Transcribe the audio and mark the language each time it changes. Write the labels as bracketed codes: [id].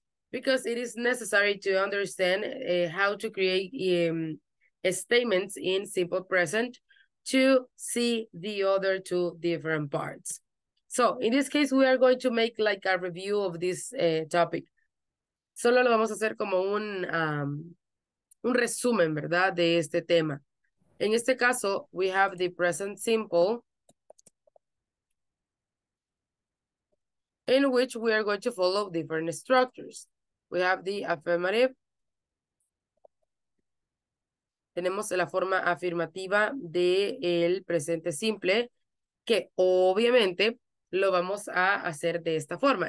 [en] Because it is necessary to understand how to create statements in simple present to see the other two different parts. So in this case, we are going to make like a review of this topic. [es] Solo lo vamos a hacer como un resumen, ¿verdad? De este tema. En este caso, [en] we have the present simple, in which we are going to follow different structures. We have the affirmative. [es] Tenemos la forma afirmativa de el presente simple, que obviamente lo vamos a hacer de esta forma.